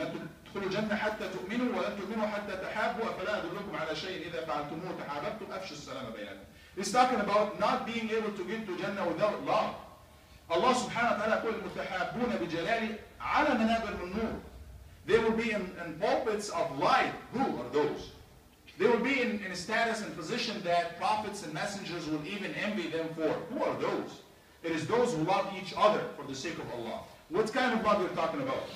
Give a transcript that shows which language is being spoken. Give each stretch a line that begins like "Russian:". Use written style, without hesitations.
Arabic: لن تدخلوا الجنة حتى تؤمنوا ولن تؤمنوا حتى تحابوا. فلا أدلكم على شيء إذا فعلتموه تحاببتم أفشوا السلام بينكم.
English: He's talking about not being able to get to Jannah without love. Allah subhanahu wa ta'ala
Arabic: قل المتحابون بجلالي على منابر من نور.
English: They will be in pulpits of light. Who are those? They will be in a status and position that prophets and messengers will even envy them for. Who are those? It is those who love each other for the sake of Allah. What kind of love you're talking about?